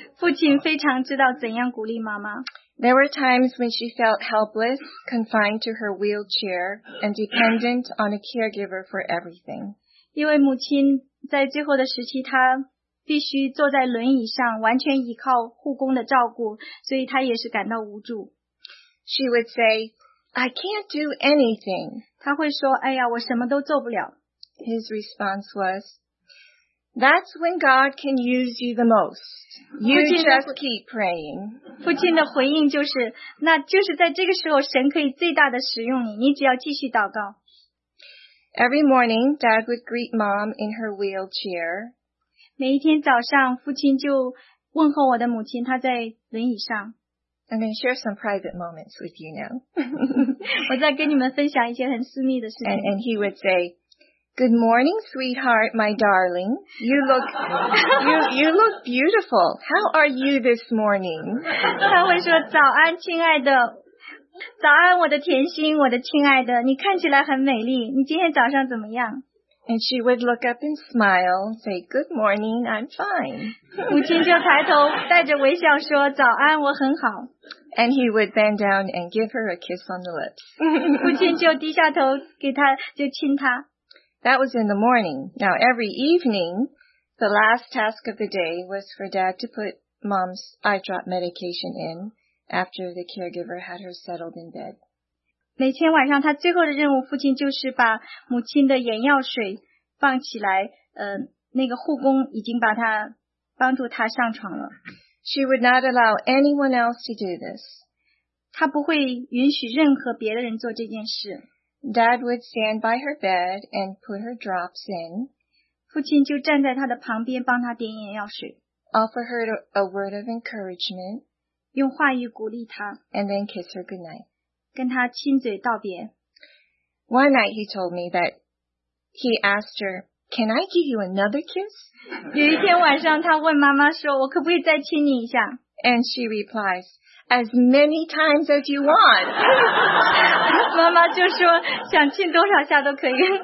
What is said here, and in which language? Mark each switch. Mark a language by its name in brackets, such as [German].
[Chinese] 父亲非常知道怎样鼓励妈妈。 [English] There were times when she felt helpless, confined to her wheelchair, and dependent on a caregiver for everything. [Chinese] 因为母亲在最后的时期，她必须坐在轮椅上，完全依靠护工的照顾，所以她也是感到无助。 [English] She would say, I can't do anything. [Chinese] 她会说，哎呀，我什么都做不了。 [English] His response was,That's when God can use you the most. You just keep praying. [Chinese] 父亲的回应就是，那就是在这个时候，神可以最大的使用你，你只要继续祷告。 [English] Every morning, Dad would greet Mom in her wheelchair. [Chinese] 每一天早上，父亲就问候我的母亲，她在轮椅上。 [English] I'm going to share some private moments with you now. [Chinese] 我在跟你们分享一些很私密的事情。 [English] And he would say,Good morning, sweetheart, my darling. You look beautiful. How are you this morning? [Chinese] 他会说早安，亲爱的，早安，我的甜心，我的亲爱的，你看起来很美丽。你今天早上怎么样？ [English] And she would look up and smile, say, "Good morning, I'm fine." [Chinese] 母亲就抬头，带着微笑说早安，我很好。 [English] And he would bend down and give her a kiss on the lips. [Chinese] 母亲就低下头给她就亲她。 [English] That was in the morning. Now, every evening, the last task of the day was for Dad to put Mom's eye drop medication in after the caregiver had her settled in bed. [Chinese] 每天晚上，他最后的任务，父亲就是把母亲的眼药水放起来，那个护工已经把他帮助他上床了。 [English] She would not allow anyone else to do this. [Chinese] 他不会允许任何别的人做这件事。 [English] Dad would stand by her bed and put her drops in. [Chinese] 父亲就站在她的旁边帮她点眼药水。 [English] Offer her a word of encouragement. [Chinese] 用话语鼓励她。 [English] And then kiss her goodnight. [Chinese] 跟她亲嘴道别。 [English] One night he told me that he asked her, Can I give you another kiss? [Chinese] 有一天晚上他问妈妈说我可不可以再亲你一下。 [English] And she replies,As many times as you want. [Chinese] 妈妈就说想亲多少下都可以。